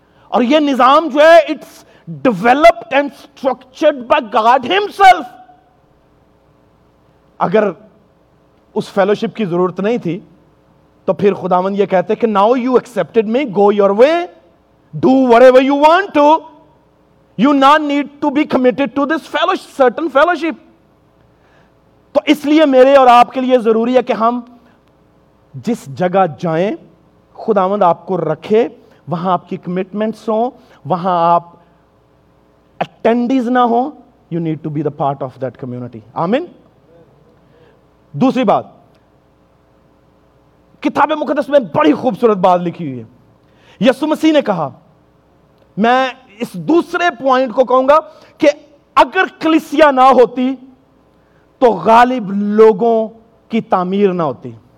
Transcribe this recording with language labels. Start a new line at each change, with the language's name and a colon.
Hindi: और ये निजाम जो है,
English: It's developed and structured by God himself.
Hindi: अगर उस फेलोशिप की जरूरत नहीं थी तो फिर खुदावंद ये कहते कि
English: Now you accepted me, go your way, Do whatever you want to. You not need to be committed to this fellowship, certain fellowship.
Hindi: तो इसलिए मेरे और आपके लिए जरूरी है कि हम जिस जगह जाएं, खुदावंद आपको रखे, वहां आपकी commitments हो, वहां आप attendees ना हो.
English: You need to be the part of that community. Amen.
Hindi: दूसरी बात, किताबे मुकदस में बड़ी खूबसूरत बात लिखी हुई है. यीशु मसीह ने कहा, मैं इस दूसरे पॉइंट को कहूंगा कि अगर कलिसिया ना होती तो गालिब लोगों की तामीर ना होती.